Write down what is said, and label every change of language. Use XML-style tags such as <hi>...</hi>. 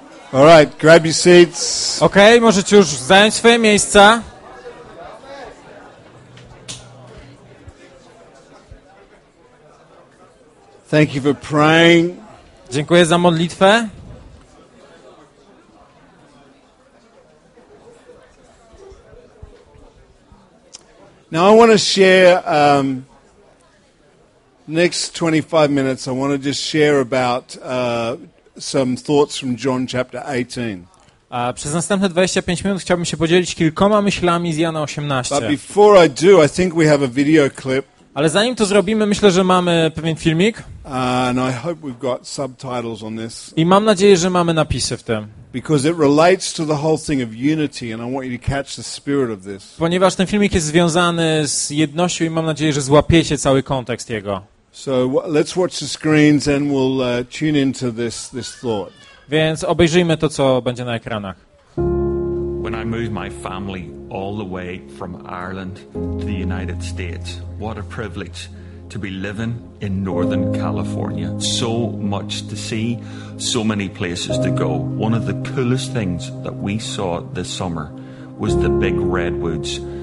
<en>All right, grab your seats.</en> <pl>Okay, możecie już zająć swoje miejsca.</pl> <en>Thank you for praying.</en> <pl>Dziękuję za modlitwę.</pl> <en>Now I want to share next 25 minutes. I want to just share about some thoughts from John chapter 18.</en> <pl>A przez następne 25 minut chciałbym się podzielić kilkoma myślami z Jana 18.</pl> <en>But before I do, I think we have a video clip.</en> <pl>Ale zanim to zrobimy, myślę, że mamy pewien filmik.</pl> <en>And I hope we've got subtitles on this.</en> <pl>I mam nadzieję, że mamy napisy w tym.</pl> <en>Because it relates to the whole thing of unity, and I want you to catch the spirit of this.</en> <pl>Ponieważ ten filmik jest związany z jednością i mam nadzieję, że złapiecie cały kontekst jego.</pl> <en>So let's watch the screens and we'll tune into this thought.</en> <pl>Więc obejrzyjmy to, co będzie na ekranach.</pl> <en>When I moved my family all the way from Ireland to the United States, what a privilege to be living in Northern California. So much to see, so many places to go. One of the coolest things that we saw this summer was the big redwoods.</en>